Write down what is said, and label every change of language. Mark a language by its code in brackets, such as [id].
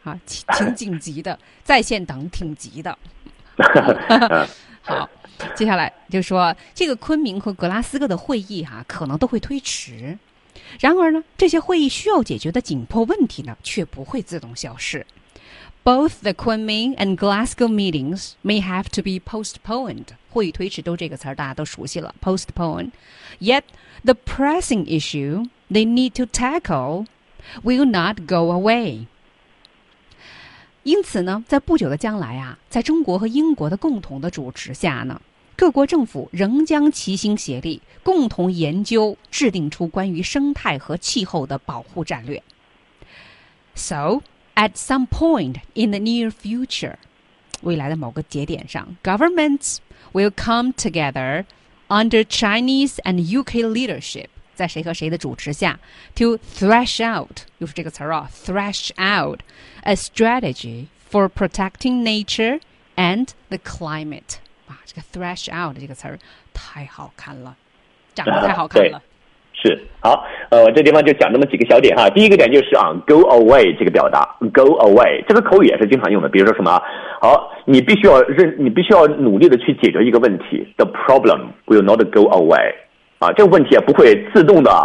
[zh] 啊，挺紧急的，在线等挺急的。好，接下来就说这个昆明和格拉斯哥的会议哈、啊，可能都会推迟。然而呢，这些会议需要解决的紧迫问题呢，却不会自动消失。 [en] Both the Kunming and Glasgow meetings may have to be postponed. [zh] 会议推迟都这个词儿大家都熟悉了 ,postpone. [en] Yet, the pressing issue they need to tackle will not go away. [zh] 因此呢，在不久的将来啊，在中国和英国的共同的主持下呢，各国政府仍将齐心协力，共同研究制定出关于生态和气候的保护战略。 [en] So,At some point in the near future, [zh] 未来的某个节点上 [en] governments will come together under Chinese and UK leadership, [zh] 在谁和谁的主持下 [en] to thresh out, [zh] 又是这个词儿啊 [en] thresh out a strategy for protecting nature and the climate. [zh] 哇，这个 thresh out 这个词儿太好看了，长得太好看了。是好，我这地方就讲那么几个小点哈。第一个点就是啊 ，go away 这个表达 ，go away 这个口语也是经常用的。比如说什么，好，你必须要认，你必须要努力的去解决一个问题 ， [en] the problem will not go away， [zh] 啊，这个问题也不会自动的